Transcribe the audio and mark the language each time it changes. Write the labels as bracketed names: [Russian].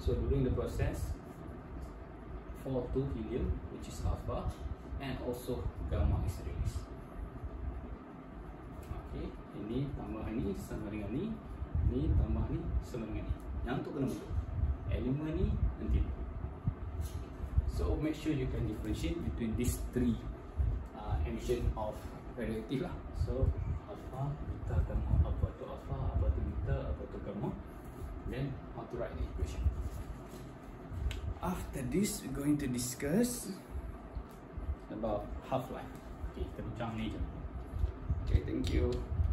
[English] So during the process 42 helium which is alpha and also gamma is released. [Malay] Okay, ini tambah ini sama dengan ni, ni tambah ni sama dengan ni, yang tu kena betul, elemen ni nanti. [English] So make sure you can differentiate between these three emission of radioactive lah. So alpha, beta, gamma. [Malay] Apa tu alpha, apa tu beta, apa tu gamma, [English] then how to write the equation. After this, we're going to discuss about half-life. Okay, [Malay] kita bincang ni je. [English] Okay, thank you.